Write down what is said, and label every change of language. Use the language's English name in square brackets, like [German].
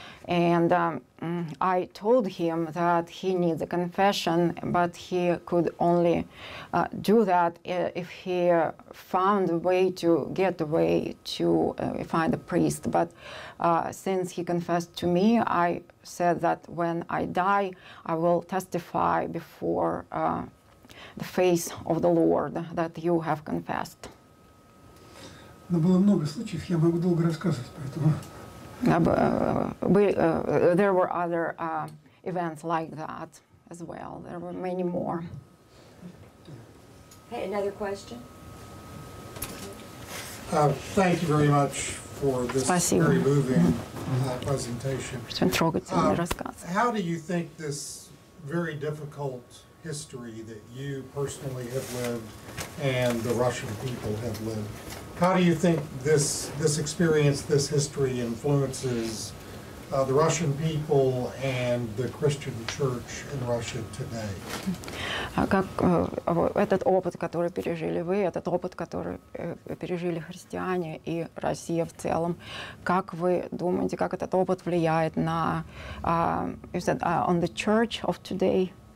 [English] And I told him that he needs a confession, but he could only do that if he found a way to get away to find a priest. But since he confessed to me, I said that when I die, I will testify before the face of the Lord that you have confessed. [Russian] Но было много случаев, я могу долго рассказывать, поэтому. [English] There were other events like that as well. There were many more. Hey, another question? Thank you very much for this [Russian] Спасибо. [English] Very moving presentation. How do you think this very difficult history that you personally have lived and the Russian people have lived? How do you think this experience, this history influences the Russian people and the Christian church in Russia today? [Russian] Как этот опыт, который пережили вы, этот опыт, который пережили христиане и Россия в целом, как вы думаете, как этот опыт влияет на [English] on the church of today?